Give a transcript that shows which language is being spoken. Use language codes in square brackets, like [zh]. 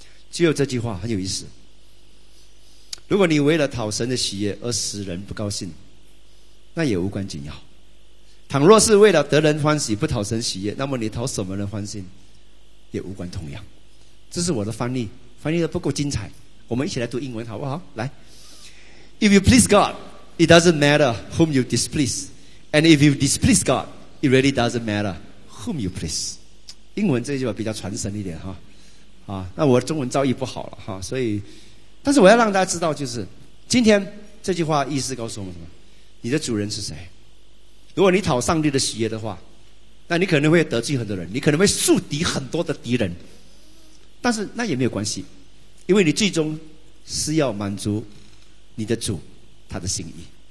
[zh] 只有这句话很有意思，如果你为了讨神的喜悦而使人不高兴，那也无关紧要。倘若是为了得人欢喜不讨神喜悦，那么你讨什么人欢心也无关痛痒。这是我的翻译，翻译的不够精彩，我们一起来读英文好不好？来， [en] If you please God, it doesn't matter whom you displease, and if you displease God, it really doesn't matter whom you please。 [zh] 英文这句话比较传神一点哈，啊，那我中文造诣不好了哈，所以但是我要让大家知道，就是今天这句话意思告诉我们什么，你的主人是谁。如果你讨上帝的喜悦的话，那你可能会得罪很多人，你可能会树敌很多的敌人，但是那也没有关系，因为你最终是要满足你的主他的心意。